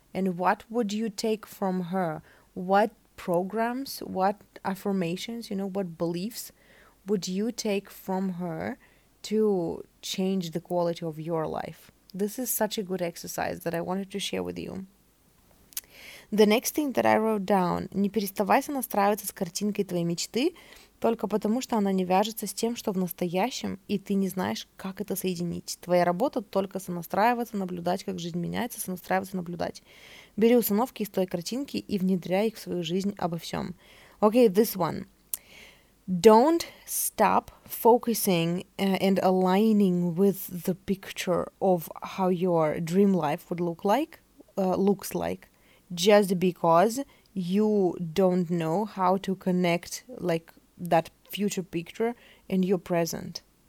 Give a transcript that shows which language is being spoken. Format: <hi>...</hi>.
<en>And what would you take from her? What programs, what affirmations, you know, what beliefs would you take from her to change the quality of your life? This is such a good exercise that I wanted to share with you. The next thing that I wrote down:</en> <ru>не переставайся настраиваться с картинкой твоей мечты только потому, что она не вяжется с тем, что в настоящем, и ты не знаешь, как это соединить. Твоя работа только сонастраиваться, наблюдать, как жизнь меняется, сонастраиваться, наблюдать. Бери установки из той картинки и внедряй их в свою жизнь обо всем.</ru> <en>Okay, this one. Don't stop focusing and aligning with the picture of how your dream life would look like, looks like, just because you don't know how to connect like that future picture and your present.</en>